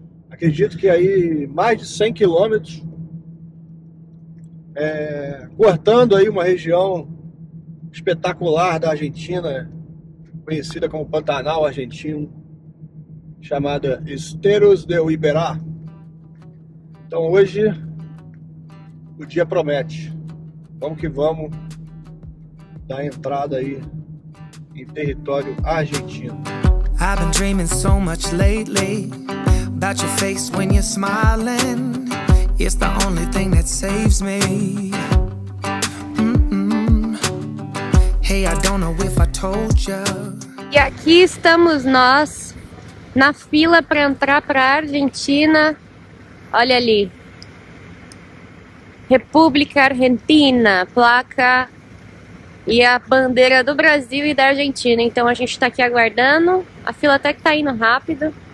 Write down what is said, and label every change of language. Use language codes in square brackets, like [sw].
[pt] Acredito que aí mais de 100 quilômetros, cortando aí uma região espetacular da Argentina, conhecida como Pantanal Argentino, chamada Esteros de Iberá. Então hoje o dia promete. Vamos que vamos dar entrada aí em território argentino. [en] I've been dreaming so much lately about your face when you're smiling. It's the only thing that saves me. Hey, I don't know if I told you. [pt] E aqui estamos nós na fila para entrar para a Argentina. Olha ali. República Argentina, placa. E a bandeira do Brasil e da Argentina. Então a gente está aqui aguardando. A fila até que está indo rápido.